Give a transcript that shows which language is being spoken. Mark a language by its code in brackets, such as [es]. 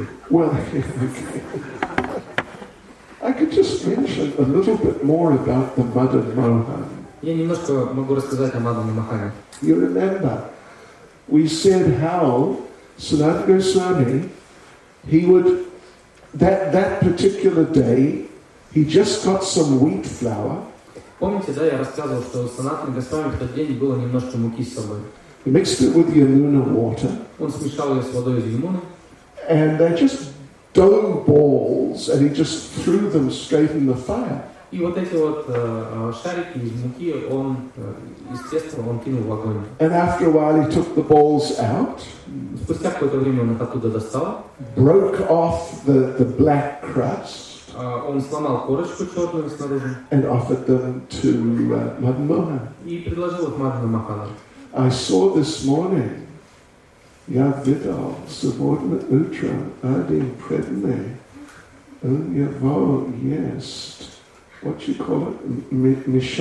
[en] Well, okay. I could just mention a little bit more about the Madan Mohan. You remember, we said how Sanatan Goswami, he would, that particular day, he just got some wheat flour. [ru] Помните, да, я рассказывал, что Санатан Госвами в тот день было немножко муки с собой. [en] He mixed it with Yamuna water. [ru] Он смешал ее с водой из Ямуны. [en] And they just dough balls, and he just threw them straight in the fire. [ru] И вот эти вот шарики из муки он естественно он кинул в огонь. [en] And after a while he took the balls out. [ru] Спустя какое-то время он их оттуда достал. [en] Broke off the black crust. [ru] Он сломал корочку черную снаружи. [en] And offered them to Madan Mohan. [ru] И предложил их Мадан Махану. I saw this morning, Yavidal, subordinate Utra, Adi, Predne, Unyavo, Yest, what you call it?